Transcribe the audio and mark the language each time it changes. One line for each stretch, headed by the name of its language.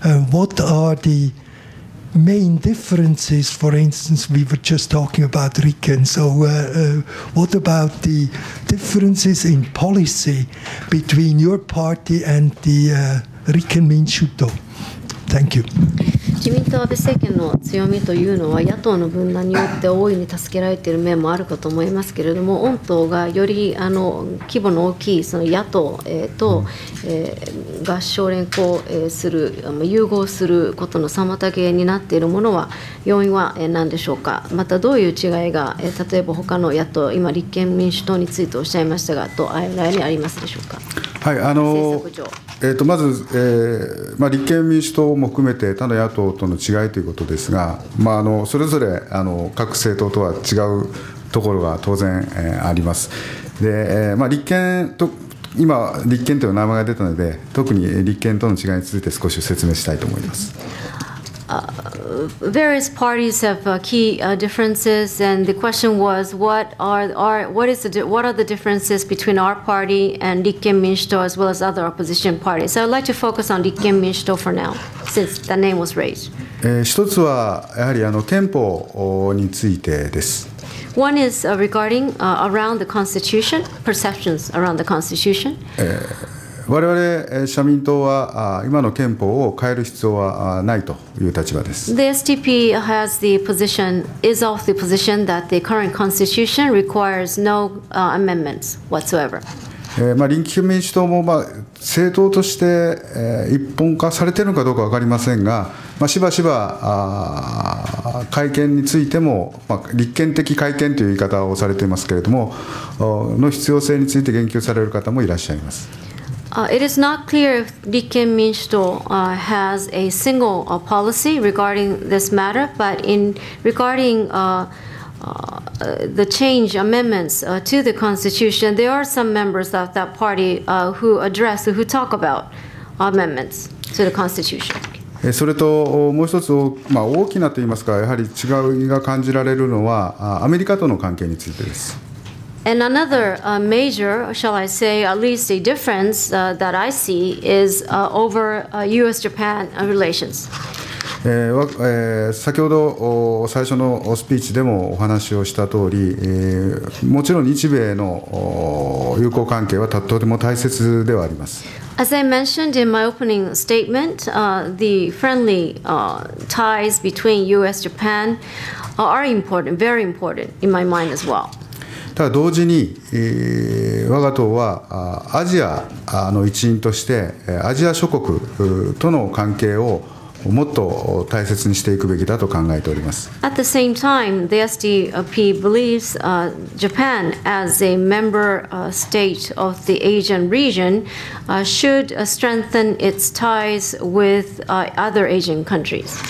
English: What are the main differences? For instance, we were just talking about Rikken. So what about the differences in policy between your party and the Rikken Minshuto? Thank you.
Japanese: 自民党安倍政権の強みというのは、野党の分断によって大いに助けられている面もあるかと思いますけれども、御党がより規模の大きいその野党と合唱連行する、融合することの妨げになっているものは、要因は何でしょうか。またどういう違いが、例えば他の野党、今、立憲民主党についておっしゃいましたが、と間にありますでしょうか。はい、まず、立憲民主党も含めて他の野党との違いということですが、それぞれ各政党とは違うところが当然、あります。で、立憲と今立憲という名前が出たので、特に立憲との違いについて少し説明したいと思います。
English: Various parties have key differences, and the question was, what are the differences between our party and Rikken Minshuto as well as other opposition parties? So I'd like to focus on Rikken Minshuto for now, since the name was raised.
Japanese: 一つはやはり憲法についてです。
English: One is regarding around the constitution, perceptions around the constitution.
Japanese: 我々社民党は今の憲法を変える必要はないという立場です。
English: The STP has the position, is of the position that the current constitution requires no amendments whatsoever.
Japanese: 立憲民主党も政党として一本化されているのかどうか分かりませんが、しばしば改憲についても、立憲的改憲という言い方をされていますけれども、の必要性について言及される方もいらっしゃいます。
English: It is not clear if 立憲民主党 has a single policy regarding this matter, but in regarding the change amendments to the constitution, there are some members of that party who address, who talk about amendments to the constitution.
Japanese: それともう一つ、大きなと言いますか、やはり違いが感じられるのはアメリカとの関係についてです。
English: And another major, shall I say, at least a difference that I see is over U.S.-Japan relations.
Japanese: 先ほど最初のスピーチでもお話をした通り、もちろん日米の友好関係はとても大切ではあります。
English: As I mentioned in my opening statement, the friendly ties between U.S.-Japan are important, very important in my mind as well.
Japanese: ただ同時に、我が党はアジアの一員としてアジア諸国との関係をもっと大切にしていくべきだと考えております。
English: At the same time, the SDP believes Japan as a member state of the Asian region should strengthen its ties with other Asian countries.